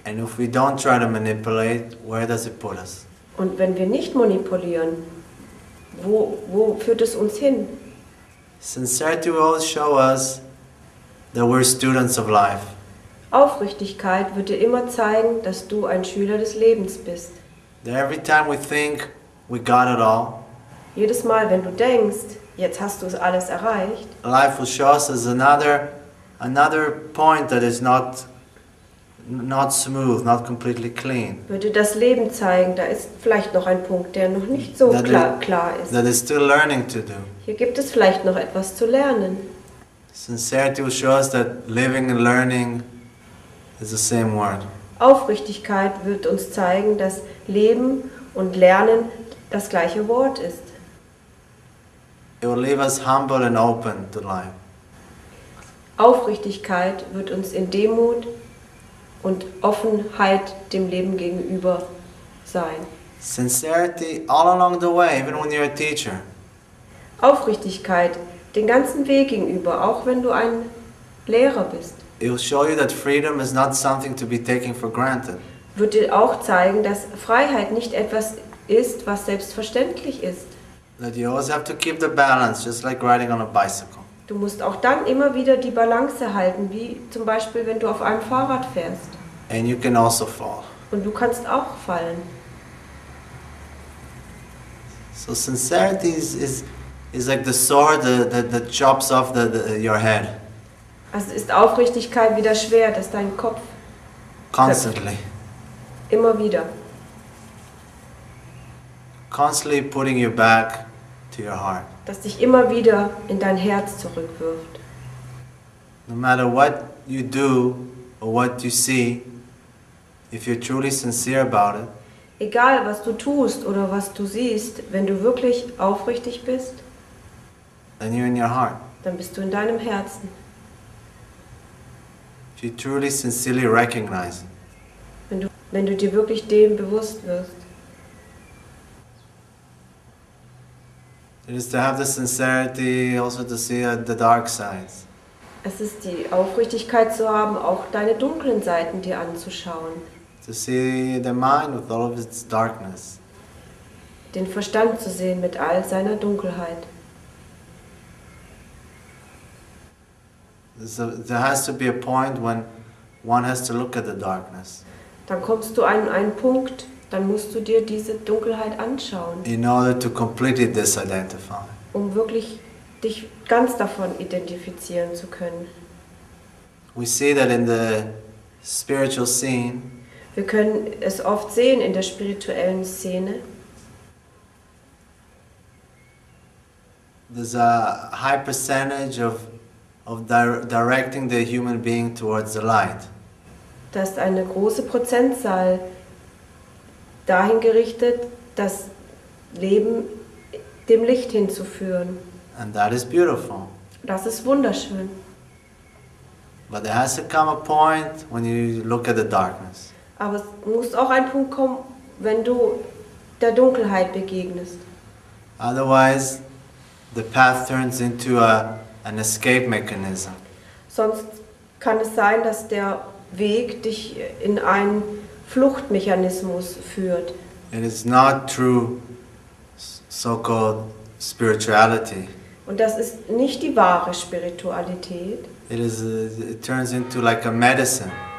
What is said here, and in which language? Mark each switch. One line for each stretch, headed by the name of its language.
English: And if we don't try to manipulate, where does it put us?
German: Und wenn wir nicht manipulieren, wo führt es uns hin?
English: Sincerity will show us that we're students of life.
German: Aufrichtigkeit wird dir immer zeigen, dass du ein Schüler des Lebens bist.
English: That every time we think we got it all.
German: Jedes Mal, wenn du denkst, jetzt hast du es alles erreicht.
English: Life will show us another point that is not smooth, not completely clean.
German: Würde das Leben zeigen, da ist vielleicht noch ein Punkt, der noch nicht so klar ist.
English: That is still learning to do.
German: Hier gibt es vielleicht noch etwas zu lernen.
English: Sincerity will show us that living and learning is the same word.
German: Aufrichtigkeit wird uns zeigen, dass Leben und Lernen das gleiche Wort ist.
English: It will leave us humble and open to life.
German: Aufrichtigkeit wird uns in Demut und Offenheit dem Leben gegenüber sein.
English: Sincerity all along the way, even when you're a teacher.
German: Aufrichtigkeit den ganzen Weg gegenüber, auch wenn du ein Lehrer bist.
English: It will show you that freedom is not something to be taken for granted.
German: Wird dir auch zeigen, dass Freiheit nicht etwas ist, was selbstverständlich ist.
English: That you always have to keep the balance, just like riding on a bicycle.
German: Du musst auch dann immer wieder die Balance halten, wie zum Beispiel, wenn du auf einem Fahrrad fährst.
English: And you can also fall.
German: Und du kannst auch fallen.
English: So sincerity is like the sword that chops off your head.
German: Also ist Aufrichtigkeit wie das Schwert, das deinen Kopf.
English: Constantly.
German: Immer wieder.
English: Constantly putting you back to your heart.
German: Dass dich immer wieder in dein Herz zurückwirft.
English: No matter what you do or what you see, if you're truly sincere about it.
German: Egal was du tust oder was du siehst, wenn du wirklich aufrichtig bist.
English: Then you're in your heart.
German: Dann bist du in deinem Herzen.
English: If you truly sincerely recognize.
German: Wenn du dir wirklich dem bewusst wirst.
English: It is to have the sincerity also to see the dark sides.
German: Es ist die Aufrichtigkeit zu haben, auch deine dunklen Seiten dir anzuschauen.
English: To see the mind with all of its darkness.
German: Den Verstand zu sehen mit all seiner Dunkelheit.
English: There has to be a point when one has to look at the darkness.
German: Dann kommst du an einen Punkt, dann musst du dir diese Dunkelheit anschauen.
English: In order to completely disidentify.
German: um wirklich dich ganz davon identifizieren zu können.
English: We see that in the spiritual scene.
German: Wir können es oft sehen in der spirituellen Szene.
English: There's a high percentage of directing the human being towards the light.
German: Dass eine große Prozentzahl dahin gerichtet, das Leben dem Licht hinzuführen.
English: And that is beautiful.
German: Das ist wunderschön.
English: But there has to come a point when you look at the darkness.
German: Aber es muss auch ein Punkt kommen, wenn du der Dunkelheit begegnest.
English: Otherwise, the path turns into an escape mechanism.
German: Sonst kann es sein, dass der Weg dich in einen Fluchtmechanismus führt.
English: It is not true so-called spirituality.
German: Und das ist nicht die wahre Spiritualität.
English: It turns into like a medicine.